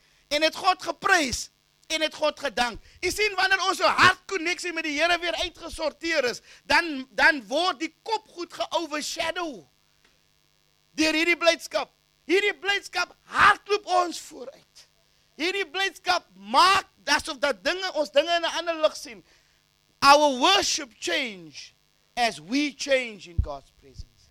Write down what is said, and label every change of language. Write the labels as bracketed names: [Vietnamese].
[Afrikaans] En het God geprys en het God gedank. Jy sien, wanneer ons hartkonneksie met die Here weer uitgesorteer is, dan word die kop goed geovershadow deur hierdie blydskap. Hierdie blydskap hardloop ons vooruit. Hierdie blydskap maak asof dat ons dinge in 'n ander lig sien. [English] Our worship change as we change in God's presence.